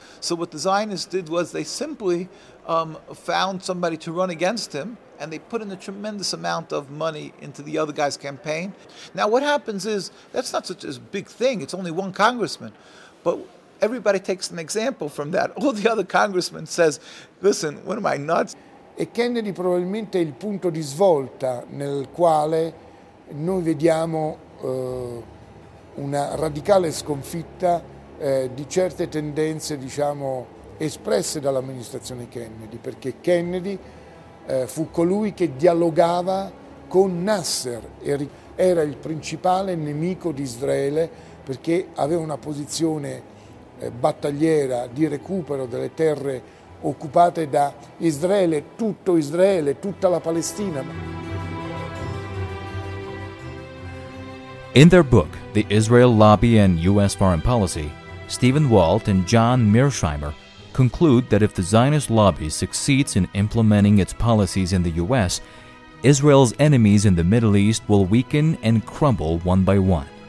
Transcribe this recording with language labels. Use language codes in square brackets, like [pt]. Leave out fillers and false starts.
[en] So what the Zionists did was they simply found somebody to run against him, and they put in a tremendous amount of money into the other guy's campaign. Now what happens is, that's not such a big thing, it's only one congressman. But everybody takes an example from that. All the other congressmen says, listen, what am I, nuts? [it] E Kennedy probabilmente è il punto di svolta nel quale noi vediamo una radicale sconfitta di certe tendenze, espresse dall'amministrazione Kennedy, perché Kennedy fu colui che dialogava con Nasser, era il principale nemico di Israele perché aveva una posizione battagliera di recupero delle terre occupate da Israele, tutta la Palestina. [en] In their book, The Israel Lobby and U.S. Foreign Policy, Stephen Walt and John Mearsheimer conclude that if the Zionist lobby succeeds in implementing its policies in the U.S., Israel's enemies in the Middle East will weaken and crumble one by one.